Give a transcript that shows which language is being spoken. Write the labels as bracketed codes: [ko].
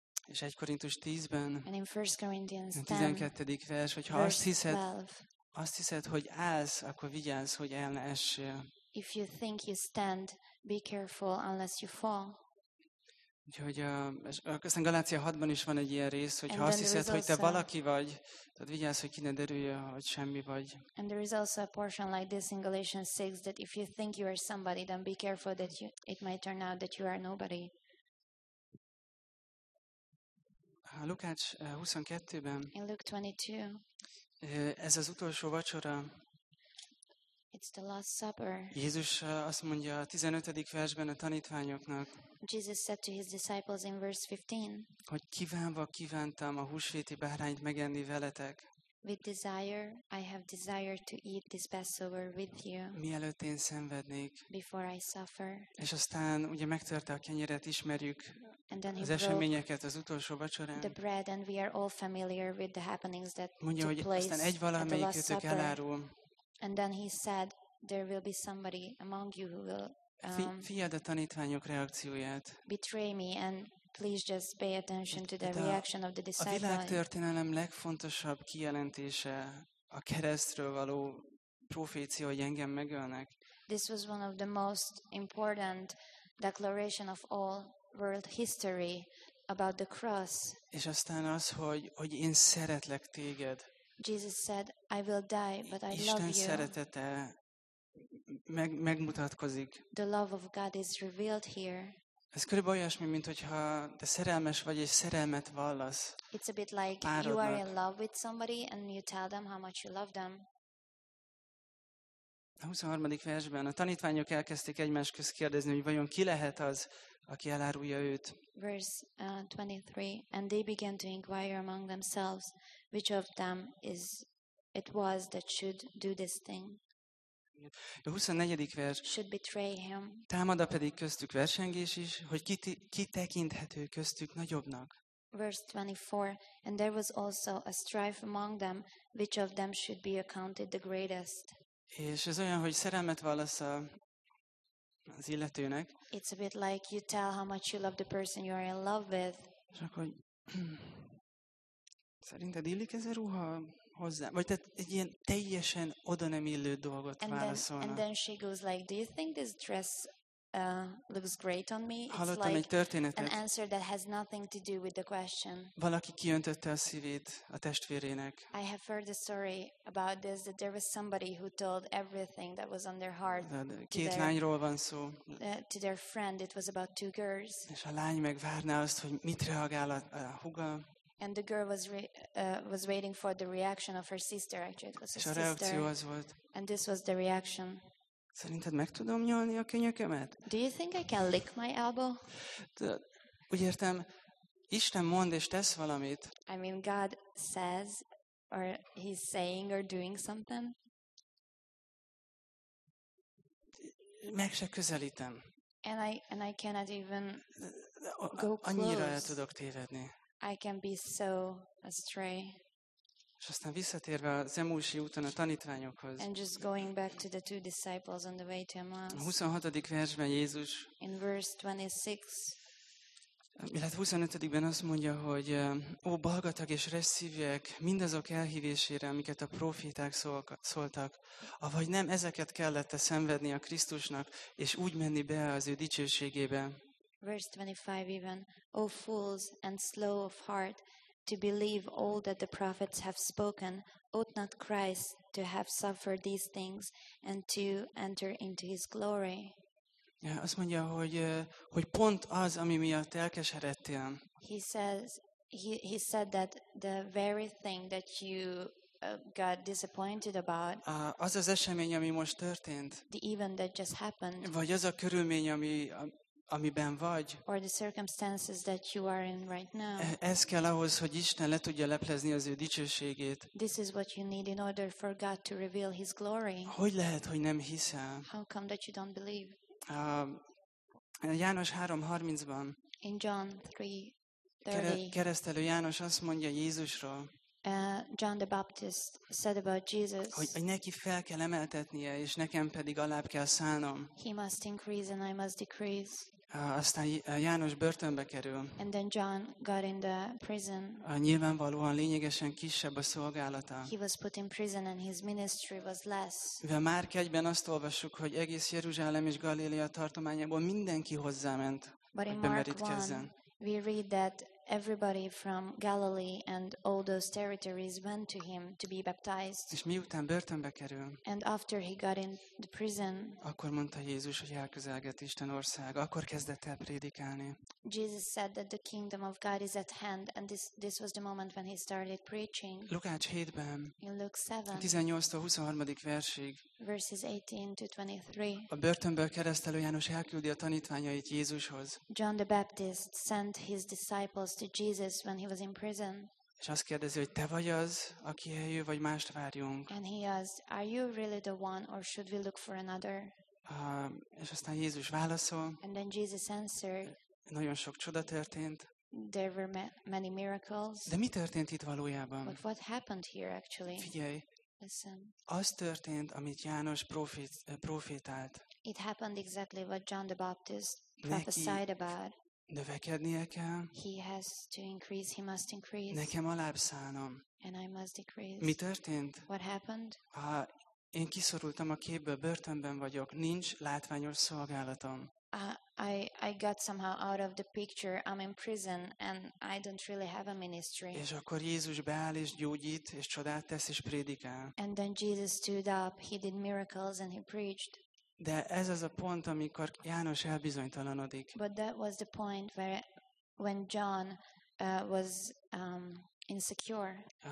[hu] És 1 Korintus 10-ben, [en] and in 1 Corinthians 10, [hu] 12. vers, hogyha azt hiszed, hogy állsz, akkor vigyázz, hogy el ne essél. [en] If you think you stand, be careful unless you fall. [hu] Úgyhogy aztán Galácia 6-ban is van egy ilyen rész, hogyha azt hiszed, hogy te valaki vagy, tehát vigyázz, hogy ki ne derülje, hogy semmi vagy. [en] And there is also a portion like this in Galatians 6, that if you think you are somebody, then be careful that it might turn out that you are nobody. [hu] A Lukács 22-ben. [en] In Luke 22. [hu] Ez az utolsó vacsora. [en] It's the last supper. [hu] Jézus azt mondja a 15. versben a tanítványoknak. [en] Jesus said to his disciples in verse 15. [hu] Hogy kívánva kívántam a húsvéti bárányt megenni veletek. [en] With desire, I have desired to eat this Passover with you. [hu] Mielőtt én szenvednék. [en] Before I suffer. [hu] És aztán ugye megtörte a kenyeret, ismerjük az eseményeket az utolsó vacsorán. [en] The bread, and we are all familiar with the happenings that [hu] mondja, [en] took place. [hu] Mondja, hogy aztán egy valamelyikőtök elárul. [en] And then he said, there will be somebody among you who will [hu] Figyeld a tanítványok reakcióját. [en] Betray me, and please just pay attention to the reaction of the disciples. [hu] A világtörténelem legfontosabb kijelentése a keresztről való profécia, hogy engem megölnek. [en] This was one of the most important declaration of all world history about the cross. [hu] És aztán az, hogy én szeretlek téged. [en] Jesus said, I will die, but I love you. [hu] Isten szeretete megmutatkozik. [en] The love of God is revealed here. [hu] Ez körülbelül olyasmi, mint hogyha te szerelmes vagy, és szerelmet vallasz. [en] It's a bit like you are in love with somebody and you tell them how much you love them. [hu] A 23. versben a tanítványok elkezdték egymás közt kérdezni, hogy vajon ki lehet az, aki elárulja őt. [en] Verse 23. And they began to inquire among themselves which of them it was that should do this thing. [hu] A 24. vers. [en] Should betray him. [hu] Támad a pedig köztük versengés is, hogy ki tekinthető köztük nagyobbnak. [en] Verse 24. And there was also a strife among them, which of them should be accounted the greatest. [hu] És ez olyan, hogy szerelmet válasz az illetőnek. [en] It's a bit like you tell how much you love the person you are in love with. [hu] És akkor, szerinted illik ez a ruha hozzá? Vagy tehát egy ilyen teljesen oda nem illő dolgot válaszolnak. [en] And then she goes like, do you think this dress looks great on me? [hu] Hallottam egy történetet. [en] It's like an answer that has nothing to do with the question. [hu] Valaki kiöntötte a szívét a testvérének. [en] I have heard a story about this, that there was somebody who told everything that was on their heart. [hu] Két lányról van szó. [en] To their friend, it was about two girls. [hu] És a lány megvárná azt, hogy mit reagál a húga. [en] And the girl was waiting for the reaction of her sister. Actually, it was her sister. [hu] És a reakció az volt. [en] And this was the reaction. [hu] Szerinted meg tudom nyolni a könyökömet? [en] Do you think I can lick my elbow? [hu] Úgy értem, Isten mond és tesz valamit. [en] I mean, God says, or He's saying or doing something. [hu] Meg se közelítem. [en] And I cannot even go close. [hu] Annyira el tudok tévedni. [en] I can be so astray. [hu] És aztán visszatérve az Emmausi úton a tanítványokhoz. [en] And just going back to the two disciples on the way to Emmaus. [hu] A 26. versben Jézus. [en] In verse 26. [hu] Illetve 25. azt mondja, hogy ó, balgatag és rezs szívűek, mindazok elhívésére, amiket a proféták szóltak, avagy nem ezeket kellett-e szenvedni a Krisztusnak, és úgy menni be az ő dicsőségébe. [en] Verse 25 even, O fools and slow of heart, to believe all that the prophets have spoken, ought not Christ to have suffered these things and to enter into his glory? [hu] Ja, azt mondja, hogy pont az, ami miatt elkeseredtél. [en] He said that the very thing that you got disappointed about, [hu] az az esemény, ami most történt, [en] the event that just happened, [hu] vagy az a körülmény, amiben vagy, [en] or the circumstances that you are in right now. [hu] Ez kell ahhoz, hogy Isten le tudja leplezni az ő dicsőségét. [en] This is what you need in order for God to reveal His glory. [hu] Hogy lehet, hogy nem hiszel? [en] How come that you don't believe? [hu] János 3:30-ban. [en] In John 3:30. [hu] Keresztelő János azt mondja Jézusról. [en] John the Baptist said about Jesus, [hu] hogy neki fel kell emeltetnie, és nekem pedig alább kell szállnom. [en] He must increase and I must decrease. [hu] Aztán János börtönbe kerül. [en] And then John got in the prison. [hu] Nyilvánvalóan lényegesen kisebb a szolgálata. [en] He was put in prison and his ministry was less. [hu] Mivel Márk 1-ben azt olvassuk, hogy egész Jeruzsálem és Galilea tartományából mindenki hozzáment, [en] but [hu] hogy bemerítkezzen. [en] We read that everybody from Galilee and all those territories went to him to be baptized. [hu] És miután börtönbe kerül, [en] and after he got in the prison, [hu] akkor mondta Jézus, hogy elközelgett Isten országa, akkor kezdett el prédikálni. [en] Jesus said that the kingdom of God is at hand, and this was the moment when he started preaching. [hu] Lukács 7-ben, [en] in Luke 7, [hu] 18-tól 23. versig, [en] verses 18-23, [hu] a börtönből keresztelő János elküldi a tanítványait Jézushoz. [en] John the Baptist sent his disciples to Jesus when he was in prison. [hu] És azt kérdezi, hogy te vagy az, aki eljön, vagy mást várjunk. [en] And he asked, are you really the one or should we look for another? [hu] És aztán Jézus válaszol. [en] And then Jesus answered. [hu] Nagyon sok csoda történt. [en] There were many miracles. [hu] De mi történt itt valójában? [en] But what happened here actually? [hu] Figyelj. [en] Listen. [hu] Az történt, amit János profétált. [en] It happened exactly what John the Baptist prophesied about. [hu] Növekednie kell. [en] He has to increase, he must increase. [hu] Nekem alább szállnom. [en] And I must decrease. [hu] Mi történt? [en] What happened? [hu] Én kiszorultam a képből, börtönben vagyok, nincs látványos szolgálatom. [en] I got somehow out of the picture. I'm in prison and I don't really have a ministry. [hu] És akkor Jézus beáll és gyógyít és csodát tesz és prédikál. [en] And then Jesus stood up, he did miracles and he preached. [hu] De ez az a pont, amikor János elbizonytalanodik. [en] But that was the point where when John was insecure.